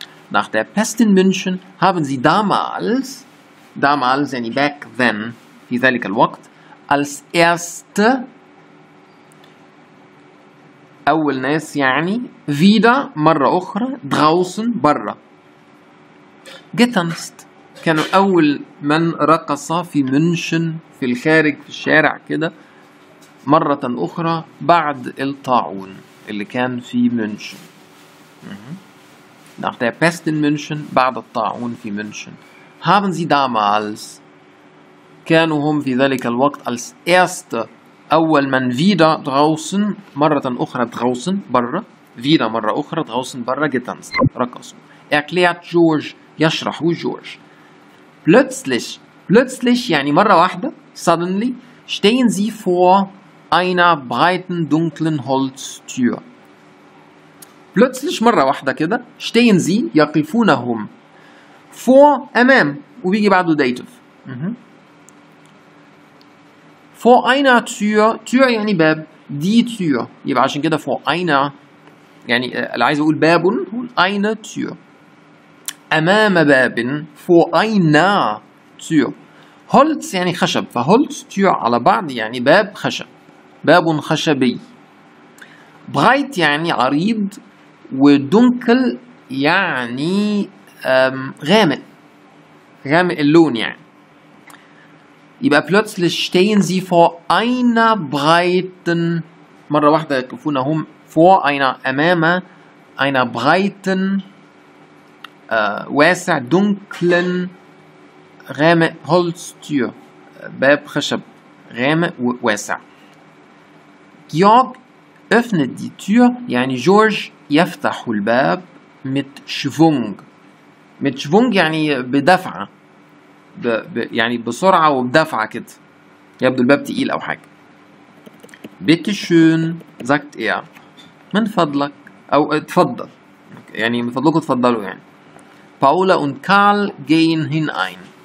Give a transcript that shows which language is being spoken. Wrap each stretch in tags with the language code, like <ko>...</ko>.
<de>Nach der Pest in München haben sie damals, damals, yani</de> <en>back then,</en> <ar>في ذلك الوقت,</ar> <de>als erste,</de> <ar>أول ناس, يعني,</ar> <de>wieder,</de> <ar>مرة أخرى,</ar> <de>draußen, برا, getanzt.</de> <ar>كانوا أول من رقص في München, في الخارج, في الشارع, كده, مرة أخرى بعد الطاعون اللي كان في München.</ar> <de>Nach der Pest in München,</de> <ar>بعد الطاعون في</ar> <de>München. Haben sie damals,</de> <ar>كانوا هم في ذلك الوقت,</ar> <de>als erste,</de> <ar>أول من</ar> <de>wieder draußen,</de> <ar>مرة أخرى draußen, برا, wieder مرة أخرى draußen, برا,</ar> <de>getanzt,</de> <ar>رقصوا.</ar> <de>Erklärt George,</de> <ar>يشرح</ar> <de>George. Plötzlich, plötzlich,</de> <ar>يعني مرة واحدة,</ar> <en>suddenly,</en> <de>stehen sie vor einer breiten, dunklen Holztür. Plötzlich,</de> <ar>مرة واحدة كده,</ar> <de>stehen sie,</de> <ar>يقفونهم, vor, أمام, وبيجي بعده داتف.</ar> <de>Vor einer Tür, Tür يعني باب, die Tür,</de> <ar>يبقى عشان كده</ar> <de>vor einer, يعني,</de> <ar>اللي عايز أقول باب,</ar> <de>eine Tür.</de> <ar>أمام باب</ar> <de>vor einer Tür.</de> <ar>Holz يعني خشب, فهولز Tür على بعض يعني باب خشب, باب خشبي. Breit يعني عريض, ودنكل يعني غامق, غامق اللون يعني.</ar> <de>يبقى plötzlich stehen sie vor einer breiten,</de> <ar>مرة واحدة يقفونهم</ar> <de>vor einer, أمام einer breiten, واسع, dunklen, غامق, Holztür,</de> <ar>باب خشب, غامق وواسع.</ar> <de>Georg öffnet die Tür,</de> <ar>يعني جورج يفتح الباب,</ar> <de>mit Schwung.</de> <ar>Mit Schwung يعني بدفعة, يعني بسرعة وبدفعة كده. يبدو الباب تقيل أو حاجة.</ar> <de>Bitte schön, sagt er.</de> <ar>من فضلك, أو تفضل, يعني من فضلكم تفضلوا يعني.</ar> <de>Paula und Karl gehen hinein.</de>